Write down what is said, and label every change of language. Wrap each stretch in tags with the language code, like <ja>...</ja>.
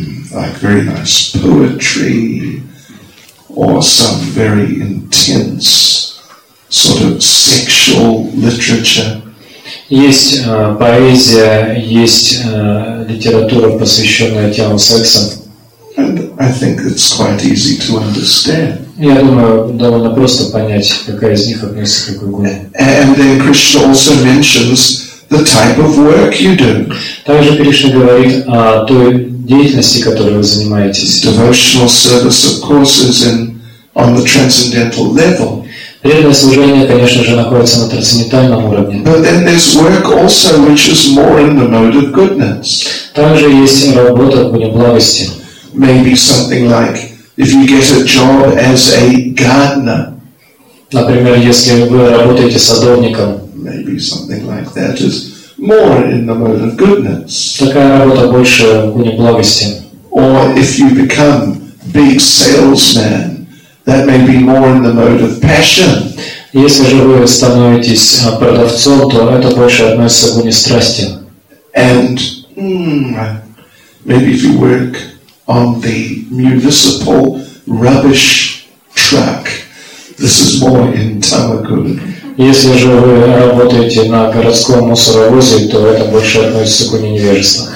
<en>Like very nice poetry or some very intense sort of sexual literature.</en> <ru>Есть поэзия, есть литература, посвященная темам секса.</ru> <en>And I think it's quite easy to understand.</en> <ru>Я думаю, довольно просто понять, какая из них относится к какой группе.</ru> <en>And then Krishna also mentions the type of work you do.</en> <ru>Также Кришна говорит о той деятельности, которой вы занимаетесь.</ru> <en>Devotional service, of course, is on the transcendental level.</en> <ru>Преданное служение, конечно же, находится на трансцендентальном уровне.</ru> <en>But then there's work also, which is more in the mode of goodness.</en> <ru>Также есть работа в мире благости.</ru> <en>Maybe something like, if you get a job as a gardener.</en> <ru>Например, если вы работаете садовником.</ru> <en>Maybe something like that is more in the mode of goodness.</en> <ru>Такая работа больше в гуне благости.</ru> <en>Or if you become big salesman, that may be more in the mode of passion.</en> <ru>Если же вы становитесь продавцом, то это больше относится к гуне страсти.</ru> <en>And maybe if you work on the municipal rubbish truck, this is more in tamagun.</en> <ru>Если же вы работаете на городском мусоровозе, то это больше относится к гуне невежества.</ru>